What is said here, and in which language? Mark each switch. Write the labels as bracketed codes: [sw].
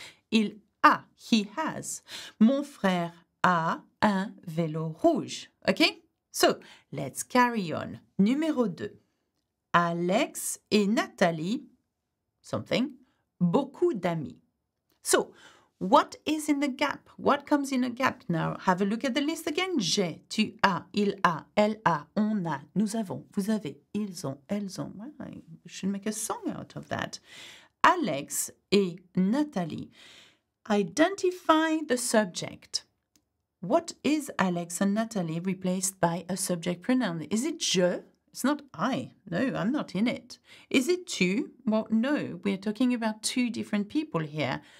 [fr] Il a, [en] he has. [fr] Mon frère a un vélo rouge. Okay? [en] So, let's carry on. Numéro 2. Alex et Nathalie, something, [fr] beaucoup d'amis. [en] So, what is in the gap? What comes in a gap? Now, have a look at the list again. [fr] J'ai, tu as, il a, elle a, on a, nous avons, vous avez, ils ont, elles ont. [en] Well, I should make a song out of that. Alex et Nathalie. Identify the subject. What is Alex and Nathalie replaced by a subject pronoun? Is it je? It's not I. No, I'm not in it. Is it tu? Well, no, we're talking about two different people here.